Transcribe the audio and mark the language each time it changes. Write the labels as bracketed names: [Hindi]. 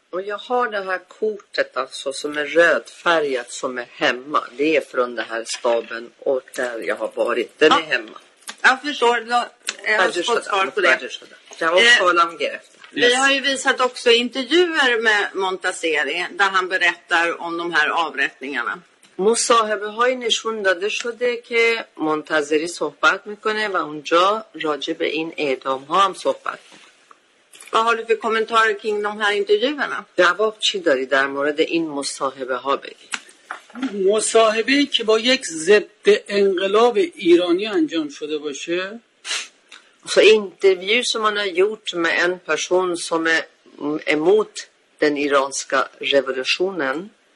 [Swedish] Och jag har det här kortet alltså som är rödfärgat som är hemma. Det är från den här staben och där jag har varit. Den är hemma. Jag förstår. Jag har fått svar på det. Jag har också langer efter. Yes. Vi har ju visat också intervjuer med Montazeri där han berättar om de här avrättningarna. [Persian] مصاحبه های نشون داده شده که منتظری صحبت میکنه و اونجا راجع به این اعدام ها هم صحبت میکنه. [Swedish] Vad har du för kommentarer kring de här intervjuerna? [Persian] جواب چی داری در مورد این مصاحبه ها بگی؟ مصاحبه که با یک ضد انقلاب ایرانی انجام شده باشه. [Swedish] Så intervju som man har gjort med en person som är emot den iranska revolutionen.